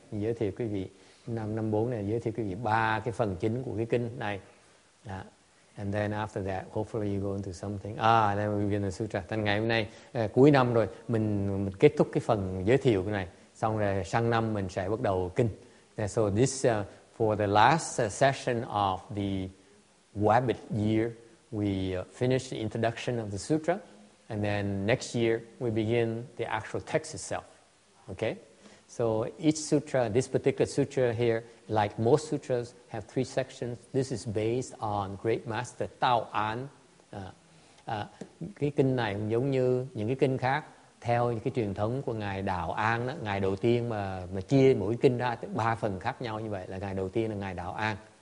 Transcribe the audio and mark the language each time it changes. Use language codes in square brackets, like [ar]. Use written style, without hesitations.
[vi] Giới thiệu quý vị, 54 này giới thiệu quý vị ba cái phần chính của cái kinh này. [en] And then after that, hopefully you go into something. Then we begin the sutra. [vi] Thành ngày hôm nay, cuối năm rồi, mình kết thúc cái phần giới thiệu cái này. Xong rồi sang năm mình sẽ bắt đầu kinh. [en] And so this, for the last session of the Wabbit year, we finish the introduction of the sutra. And then next year, we begin the actual text itself. Okay? So each sutra, this particular sutra here, like most sutras, have three sections. This is based on Great Master Tao An. [vi] Cái kinh này giống như những cái kinh khác, theo những cái truyền thống của Ngài Đạo An đó, Ngài đầu tiên mà chia mỗi kinh ra ba phần khác nhau như vậy, là Ngài đầu tiên là Ngài Đạo An.